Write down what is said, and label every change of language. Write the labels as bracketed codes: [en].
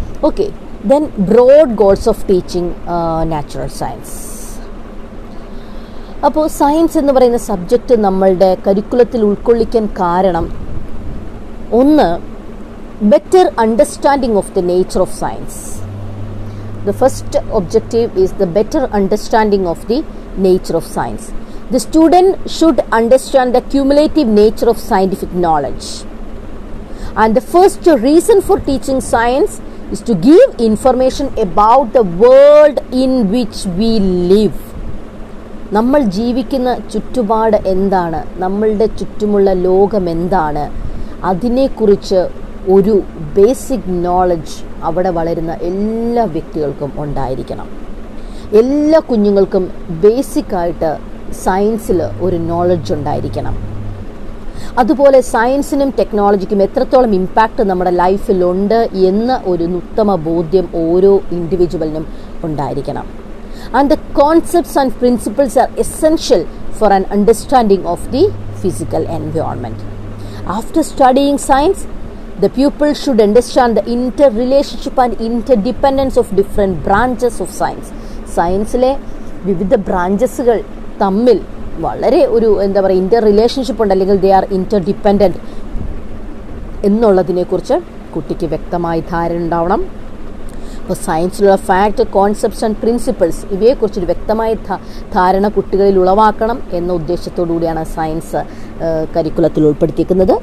[en] Okay, then broad goals of teaching natural science. [ml] അപ്പോൾ science എന്ന് പറയുന്ന സബ്ജക്റ്റ് നമ്മളുടെ കരിക്കുലത്തിൽ ഉൾക്കൊള്ളിക്കാൻ കാരണം, ഒന്ന്, [en] Better understanding of the nature of science. The first objective is the better understanding of the nature of science. The student should understand the cumulative nature of scientific knowledge. And the first reason for teaching science is to give information about the world in which we live. [ml] നമ്മൾ ജീവിക്കുന്ന ചുറ്റുപാട് എന്താണ്, നമ്മളുടെ ചുറ്റുമുള്ള ലോകം എന്താണ്, അതിനെക്കുറിച്ച് ഒരു ബേസിക് നോളജ് അവിടെ വളരുന്ന എല്ലാ വ്യക്തികൾക്കും ഉണ്ടായിരിക്കണം. എല്ലാ കുഞ്ഞുങ്ങൾക്കും ബേസിക്കായിട്ട് സയൻസിൽ ഒരു നോളജ് ഉണ്ടായിരിക്കണം. അതുപോലെ സയൻസിനും ടെക്നോളജിക്കും എത്രത്തോളം ഇമ്പാക്റ്റ് നമ്മുടെ ലൈഫിലുണ്ട് എന്ന ഒരു ഉത്തമ ബോധ്യം ഓരോ ഇൻഡിവിജ്വലിനും ഉണ്ടായിരിക്കണം. [en] And the concepts and principles are essential for an understanding of the physical environment. After studying science, the pupil should understand the interrelationship and interdependence of different branches of science. [ml] സയൻസിലെ വിവിധ ബ്രാഞ്ചസുകൾ തമ്മിൽ വളരെ ഒരു എന്താ പറയുക ഇന്റർ റിലേഷൻഷിപ്പ് ഉണ്ട്, അല്ലെങ്കിൽ [en] they are interdependent [ml] എന്നുള്ളതിനെ കുറിച്ച് കുട്ടിക്ക് വ്യക്തമായി ധാരണ ഉണ്ടാവണം. അപ്പോൾ സയൻസിലുള്ള [en] fact, concepts and principles [ml] ഇവയെക്കുറിച്ചൊരു വ്യക്തമായ ധാരണ കുട്ടികളിൽ ഉളവാക്കണം എന്ന ഉദ്ദേശത്തോടുകൂടിയാണ് സയൻസ് കരിക്കുലത്തിൽ ഉൾപ്പെടുത്തിയിരിക്കുന്നത്.